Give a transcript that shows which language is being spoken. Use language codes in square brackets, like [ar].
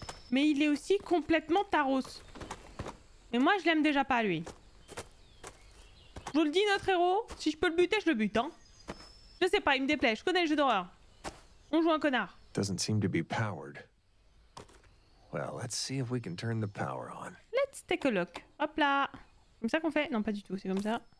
[fr] Mais il est aussi complètement taros. Et moi, je l'aime déjà pas, lui. Je vous le dis, notre héros, si je peux le buter, je le bute, hein. Je sais pas, il me déplaît, je connais le jeu d'horreur. On joue un connard. [en] Doesn't seem to be powered. Well, let's see if we can turn the power on. Let's take a look. [fr] Hop là. C'est comme ça qu'on fait? Non, pas du tout, c'est comme ça.